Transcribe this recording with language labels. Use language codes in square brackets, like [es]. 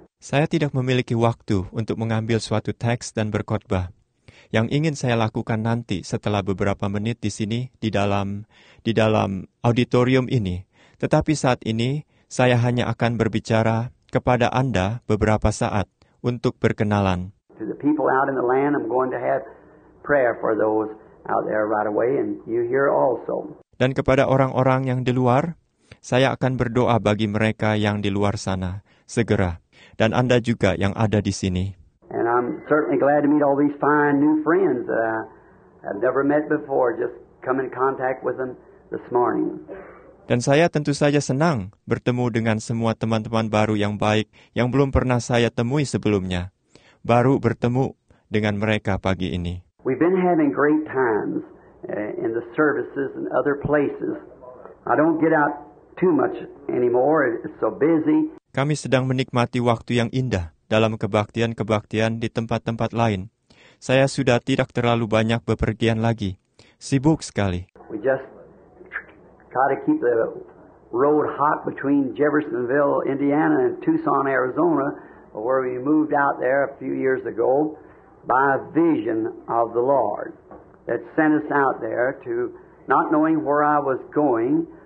[id] Saya tidak memiliki waktu untuk mengambil suatu teks dan berkhotbah. Yang ingin saya lakukan nanti setelah beberapa menit di sini di dalam auditorium ini. Tetapi saat ini saya hanya akan berbicara kepada Anda beberapa saat untuk berkenalan. [en] To the people out in the land, I'm going to have prayer for those out there right away, and you here also. [id] Dan kepada orang-orang yang di luar, saya akan berdoa bagi mereka yang di luar sana segera. Dan Anda juga yang ada di sini. [en] And I'm certainly glad to meet all these fine new friends that I've never met before, just come in contact with them this morning. [id] Dan saya tentu saja senang bertemu dengan semua teman-teman baru yang baik yang belum pernah saya temui sebelumnya. Baru bertemu dengan mereka pagi ini. [en] We've been having great times in the services and other places. I don't get out too much anymore. It's so busy. [id] Kami sedang menikmati waktu yang indah dalam kebaktian-kebaktian di tempat-tempat lain. Saya sudah tidak terlalu banyak bepergian lagi. Sibuk sekali. [en] We just try to keep the road hot between Jeffersonville, Indiana and Tucson, Arizona, where we moved out there a few years ago by a vision of the Lord that sent us out there to not knowing where I was going.